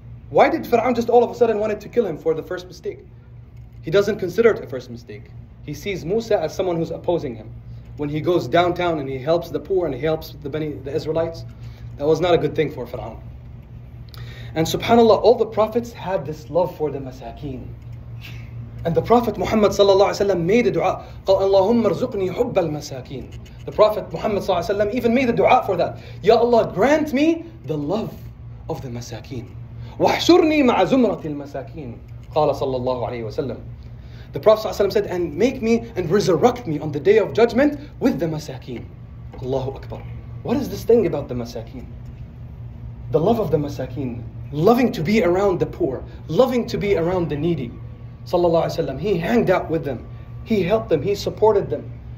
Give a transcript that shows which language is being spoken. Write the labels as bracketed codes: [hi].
[en] Why did Fir'aun just all of a sudden wanted to kill him for the first mistake? He doesn't consider it a first mistake. He sees Musa as someone who's opposing him. When he goes downtown and he helps the poor and he helps the Israelites, that was not a good thing for Fir'aun. And subhanAllah, all the prophets had this love for the masakeen. And the Prophet Muhammad sallallahu alaihi wasallam made a dua. [ar] قال اللهم ارزقني حب المساكين. [en] The Prophet Muhammad sallallahu alaihi wasallam even made a dua for that. Ya Allah, grant me the love of the masakeen. [ar] واحشرني مع زمرة المساكين. قال صلى الله عليه وسلم. [en] The Prophet sallallahu alaihi wasallam said, and make me and resurrect me on the day of judgment with the masakeen. Allahu Akbar. What is this thing about the masakeen? The love of the masakeen, loving to be around the poor, loving to be around the needy. Sallallahu Alaihi Wasallam, he hanged out with them. He helped them, he supported them.